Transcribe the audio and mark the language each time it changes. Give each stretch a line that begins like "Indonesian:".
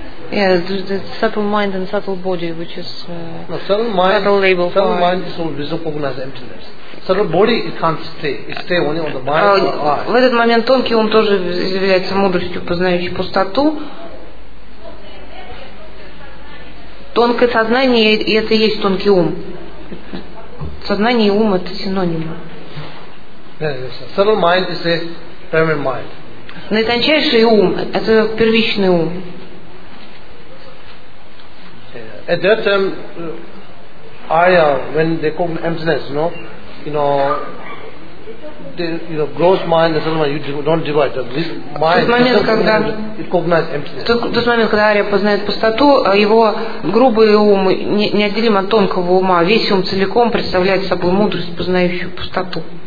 English: Yeah, the subtle mind and subtle body, which is subtle mind, subtle mind is all visible, cognized emptiness. Subtle body, it can't stay. It stays only on the mind or eye.
Russian: В этот момент тонкий ум тоже является мудростью, познающей пустоту. Тонкое сознание, и это и есть тонкий ум. Сознание и ум — это синонимы.
English: Yes, subtle mind is a permanent mind.
Russian: Наитончайший ум — это первичный ум.
English: At that time, Arya, when they call emptiness, you know, gross mind, the subtle mind, you don't divide. This mind, the subtle mind, it recognizes emptiness.
Russian: Arya познает пустоту, его грубый ум неотделим от тонкого ума. Весь ум целиком представляет собой мудрость, познающую пустоту.